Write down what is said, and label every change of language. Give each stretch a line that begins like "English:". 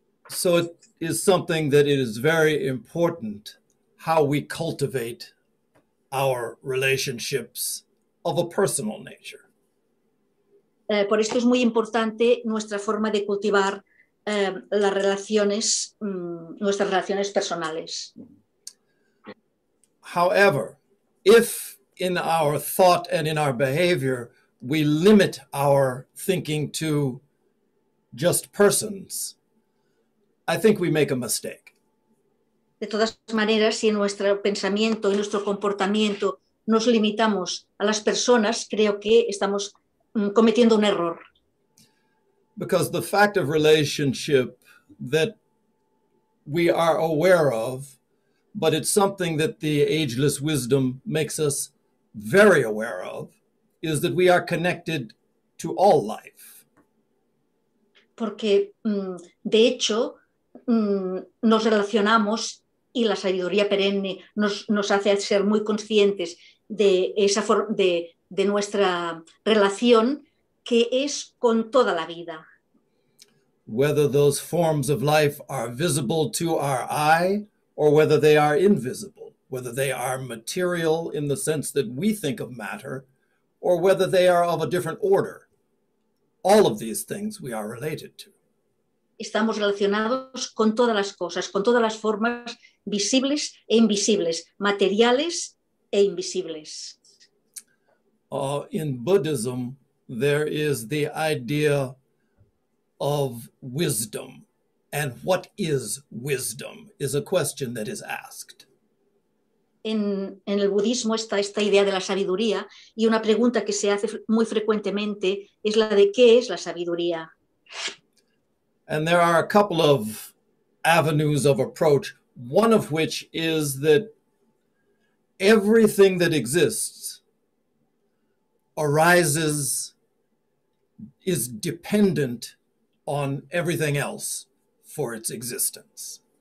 English: So it is something that it is very important how we cultivate our relationships of a personal nature.
Spanish: Por esto es muy importante nuestra forma de cultivar las relaciones, nuestras relaciones personales.
English: However, if in our thought and in our behavior we limit our thinking to just persons, I think we make a mistake.
Spanish: De todas maneras, si en nuestro pensamiento y nuestro comportamiento nos limitamos a las personas, creo que estamos cometiendo un error.
English: Because the fact of relationship that we are aware of, but it's something that the ageless wisdom makes us very aware of, is that we are connected to all life.
Spanish: Porque, de hecho, nos relacionamos y la sabiduría perenne nos hace ser muy conscientes de esa de nuestra relación que es con toda la vida.
English: Whether those forms of life are visible to our eye or whether they are invisible, whether they are material in the sense that we think of matter or whether they are of a different order. All of these things we are related to.
Spanish: Estamos relacionados con todas las cosas, con todas las formas visibles e invisibles, materiales e invisibles.
English: In Buddhism, there is the idea of wisdom. And what is wisdom is a question that is asked.
Spanish: En el budismo está esta idea de la sabiduría y una pregunta que se hace muy frecuentemente es la de ¿qué es la sabiduría?
English: And there are a couple of avenues of approach, one of which is that everything that exists arises, is dependent on everything else for its existence.